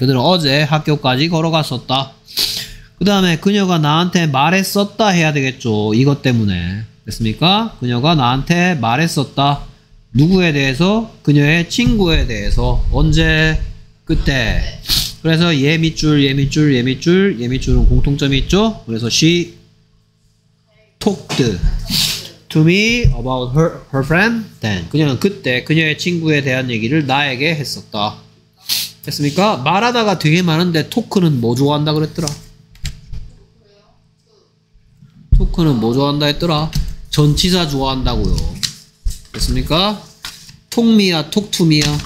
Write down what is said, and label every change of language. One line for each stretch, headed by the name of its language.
Korean: 그들은 어제 학교까지 걸어갔었다. 그 다음에 그녀가 나한테 말했었다 해야 되겠죠. 이것 때문에. 됐습니까? 그녀가 나한테 말했었다. 누구에 대해서? 그녀의 친구에 대해서. 언제? 그때. 그래서 얘 밑줄, 얘 밑줄, 얘 밑줄, 얘 밑줄은 공통점이 있죠. 그래서
English: she talked to me about her friend then.
Korean: 그녀는 그때 그녀의 친구에 대한 얘기를 나에게 했었다. 됐습니까? 말하다가 되게 많은데 토크는 뭐 좋아한다 그랬더라? 토크는 뭐 좋아한다 했더라? 전치사 좋아한다고요. 됐습니까? Talk me야, talk to me야.